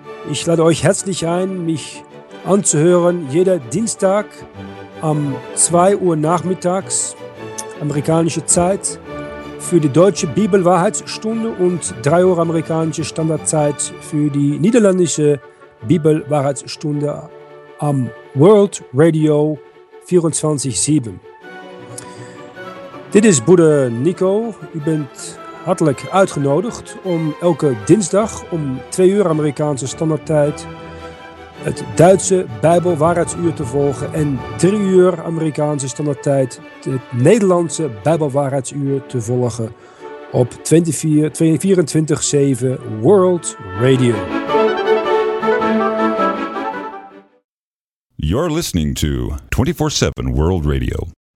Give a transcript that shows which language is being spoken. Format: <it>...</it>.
<de>Ich lade euch herzlich ein, mich anzuhören jeder Dienstag um 2 Uhr nachmittags, amerikanische Zeit, für die deutsche Bibelwahrheitsstunde und 3 Uhr amerikanische Standardzeit für die niederländische Bibelwahrheitsstunde am World Radio 24/7.</de> <nl>Dit is Bruder Nico. U bent hartelijk uitgenodigd om elke dinsdag om 2 uur amerikanische standaardtijd het Duitse Bijbelwaarheidsuur te volgen en 3 uur amerikanische standaardtijd het Nederlandse Bijbelwaarheidsuur te volgen op 24/7 World Radio.</nl> <en>You're listening to 24/7 World Radio.</en>